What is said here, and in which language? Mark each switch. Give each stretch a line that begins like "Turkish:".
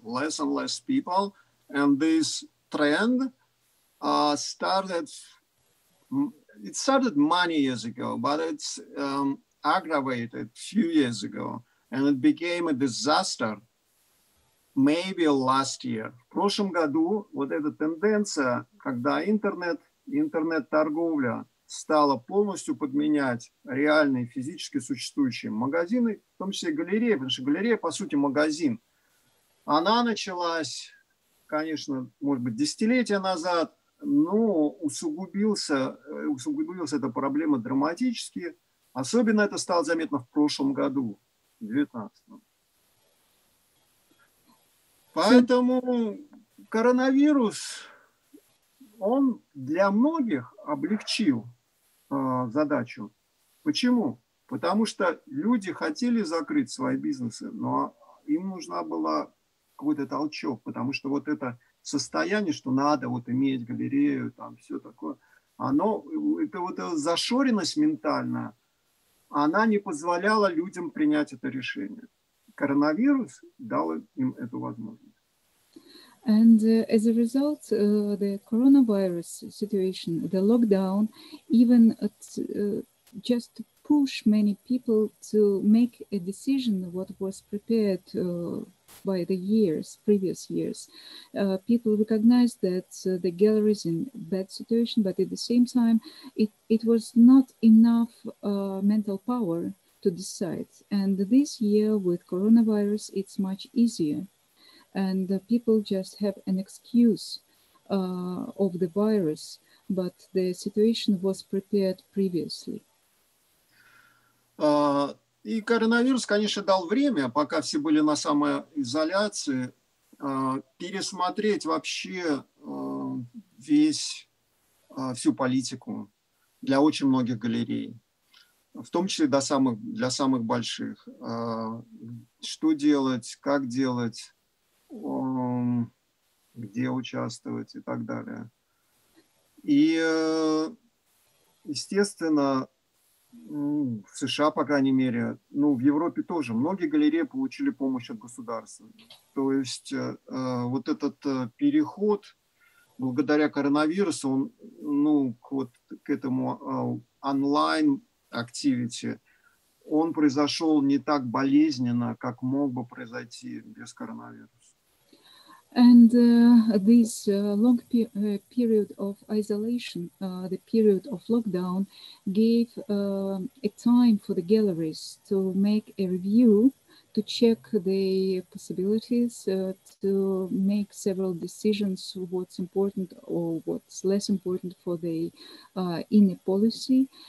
English: Less and less people, and this trend started It started many years ago, but it's aggravated a few years ago, and it became a disaster maybe last year.
Russian: В прошлом году вот эта тенденция, когда интернет-торговля стала полностью подменять реальные физически существующие магазины, в том числе галереи, потому что галерея, по сути, магазин, она началась, конечно, может быть, десятилетия назад, но усугубилась эта проблема драматически, Особенно это стало заметно в прошлом году, в 2019. Поэтому коронавирус, он для многих облегчил задачу. Почему? Потому что люди хотели закрыть свои бизнесы, но им нужна была какой-то толчок, потому что вот это состояние, что надо вот иметь галерею, там все такое, оно, это вот эта зашоренность ментальная, она не позволяла людям принять это решение. Коронавирус дал им эту возможность.
English: And as a result, the coronavirus situation, the lockdown, even just push many people to make a decision what was prepared by the years, previous years. People recognized that the gallery is in bad situation, but at the same time, it was not enough mental power to decide. And this year with coronavirus, it's much easier. And people just have an excuse of the virus, but the situation was prepared previously.
Russian: И коронавирус, конечно, дал время, пока все были на самоизоляции, пересмотреть вообще всю политику для очень многих галерей, в том числе для самых больших. Что делать, как делать, где участвовать и так далее. И, естественно, в США, по крайней мере, ну, в Европе тоже. Многие галереи получили помощь от государства. То есть вот этот переход, благодаря коронавирусу, он, ну, вот к этому онлайн-активити, он произошел не так болезненно, как мог бы произойти без коронавируса.
English: And this long period of isolation, the period of lockdown, gave a time for the galleries to make a review, to check the possibilities, to make several decisions, what's important or what's less important for the inner policy.